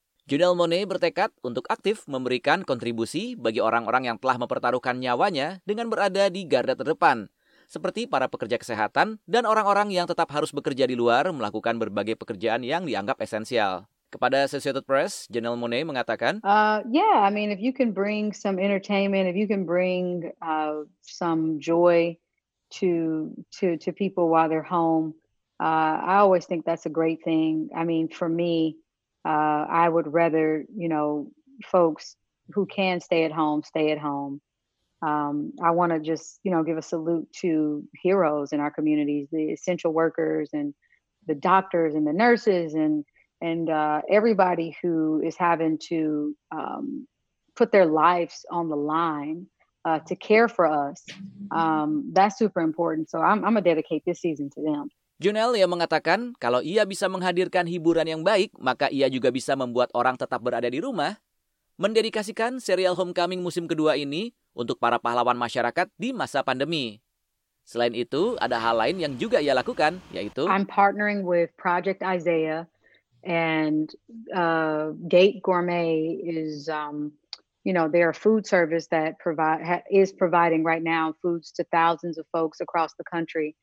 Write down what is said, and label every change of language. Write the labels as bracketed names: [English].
[Indonesian] Janelle Monáe bertekad untuk aktif memberikan kontribusi bagi orang-orang yang telah mempertaruhkan nyawanya dengan berada di garda terdepan, seperti para pekerja kesehatan dan orang-orang yang tetap harus bekerja di luar melakukan berbagai pekerjaan yang dianggap esensial. Kepada Associated Press, Janelle Monáe mengatakan, [English] If you can bring some entertainment, if you can bring some joy to people while they're home, I always think that's a great thing. I mean, for me, I would rather, you know, folks who can stay at home, stay at home. I want to just, you know, give a salute to heroes in our communities, the essential workers and the doctors and the nurses and everybody who is having to put their lives on the line to care for us. That's super important. So I'm going to dedicate this season to them. [Indonesian] Janelle yang mengatakan kalau ia bisa menghadirkan hiburan yang baik, maka ia juga bisa membuat orang tetap berada di rumah. Mendedikasikan serial Homecoming musim kedua ini untuk para pahlawan masyarakat di masa pandemi. Selain itu, ada hal lain yang juga ia lakukan, yaitu [English] I'm partnering with Project Isaiah, and Gate Gourmet is, they're a food service that is providing right now foods to thousands of folks across the country.